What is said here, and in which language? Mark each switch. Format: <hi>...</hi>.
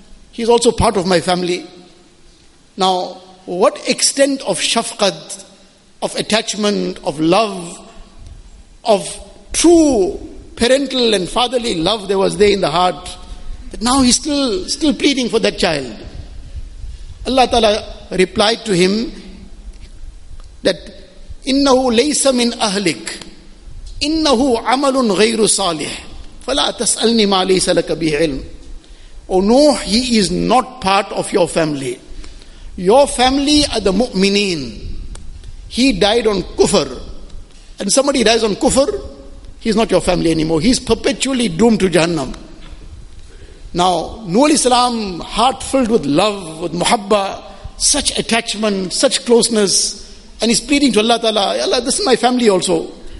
<en>He is also part of my family. Now, what extent of shafqat, of attachment, of love, of true parental and fatherly love there was there in the heart, that now he's still pleading for that child. Allah Ta'ala replied to him that</en> <ar>إِنَّهُ لَيْسَ مِنْ أَهْلِكَ إِنَّهُ عَمَلٌ غَيْرُ صَالِحٌ فَلَا تَسْأَلْنِي مَا لَيْسَ لَكَ بِهِ عِلْمٌ.</ar> <en>O Nuh, he is not part of your family. Your family are the mu'mineen. He died on kufr. And somebody dies on kufr, he's not your family anymore. He's perpetually doomed to Jahannam. Now, Nuh alayhi salam, heart filled with love, with muhabba, such attachment, such closeness, and he's pleading to Allah Ta'ala, Ya Allah, this is my family also.</en>